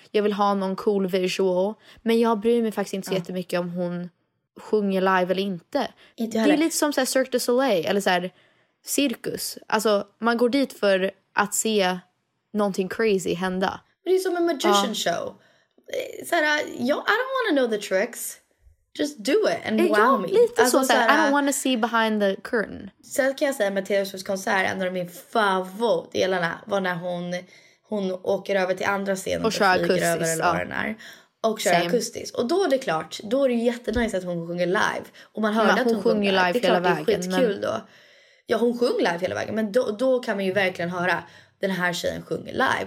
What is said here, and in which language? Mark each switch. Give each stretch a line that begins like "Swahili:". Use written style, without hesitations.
Swedish: Jag vill ha någon cool visual. Men jag bryr mig faktiskt inte så jättemycket om hon sjunger live eller inte. Det är lite som så här Cirque du Soleil. Eller så här cirkus. Alltså, man går dit för att se någonting crazy hända. Men det är som en magician show.
English: Så här, I don't want to know the tricks. Just do it and wow me.
Swedish: Lite alltså, så här,
English: I don't want to see behind the curtain.
Swedish: Sen kan jag säga att Taylor Swift konsert, en av min favoritdelarna, var när hon åker över till andra scenen och kör akustiskt. Och kör akustiskt. Och då är det klart, då är det jättenice att hon sjunger live. Och man hörde att hon sjunger live hela vägen. Det är klart det är skitkul då. Ja, hon sjunger live hela vägen. Men då kan man ju verkligen höra den här tjejen sjunger live.